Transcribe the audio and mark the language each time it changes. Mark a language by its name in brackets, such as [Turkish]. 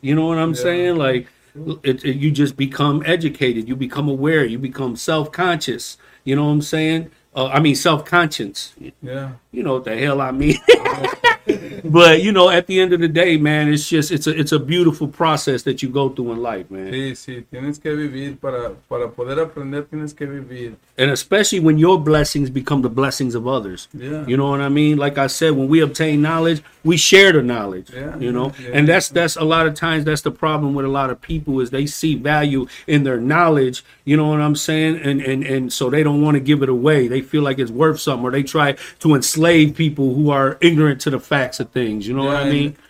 [English] You know what I'm saying? Like, you just become educated. You become aware. You become self-conscious. You know what I'm saying? Self-conscious. Yeah. You know what the hell I mean. But, you know, at the end of the day, man, it's just, it's a beautiful process that you go through in life, man. [Spanish] Sí, sí. Tienes que vivir para poder aprender, tienes que vivir. [English] And especially when your blessings become the blessings of others. Yeah. You know what I mean? Like I said, when we obtain knowledge, we share the knowledge, you know? Yeah. And that's a lot of times, that's the problem with a lot of people is they see value in their knowledge, you know what I'm saying? And so they don't want to give it away. They feel like it's worth something, or they try to enslave people who are ignorant to the facts of things, you know what I mean?